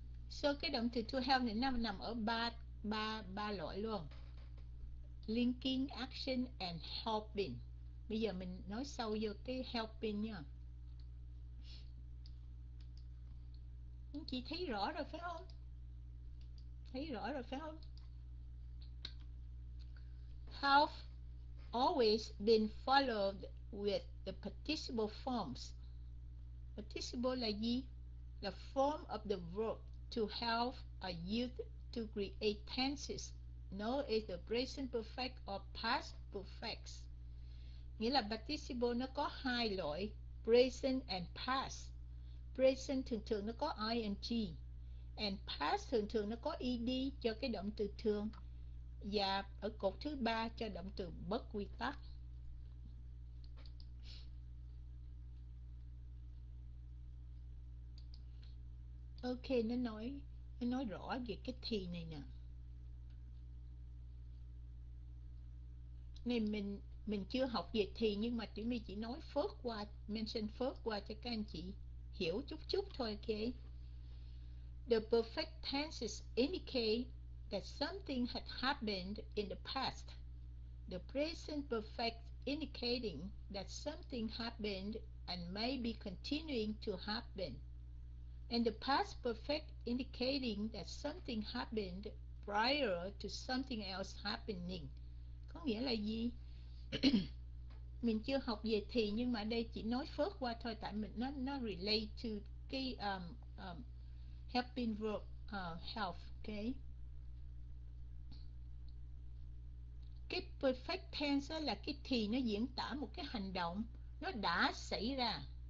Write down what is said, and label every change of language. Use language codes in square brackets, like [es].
[vi] So cái động từ to have này nằm ở ba loại luôn. Linking, action and helping. Bây giờ mình nói sâu vô cái helping nha. Chị thấy rõ rồi phải không? Thấy rõ rồi phải không? [en] Have always been followed with the participle forms. [vi] Participle là gì? [en] The form of the verb to have are used to create tenses. No, it's the present perfect or past perfect. [vi] Nghĩa là participle nó có hai loại, [en] present and past. [vi] Present thường thường nó có ing, and past thường thường nó có ed cho cái động từ thường, và ở cột thứ ba cho động từ bất quy tắc. Ok, nó nói rõ về cái thì này nè. Này mình chưa học về thì, nhưng mà Tiểu My chỉ nói phớt qua, mention phớt qua cho các anh chị hiểu chút chút thôi. [en] Ok. The perfect tenses indicate that something had happened in the past. The present perfect indicating that something happened and may be continuing to happen. And the past perfect indicating that something happened prior to something else happening. [vi] Có nghĩa là gì? Mình chưa học về thì, nhưng mà đây chỉ nói phớt qua thôi, tại mình nó [en] relate to [vi] cái helping verb help. Okay. Cái perfect tense là cái thì nó diễn tả một cái hành động nó đã xảy ra.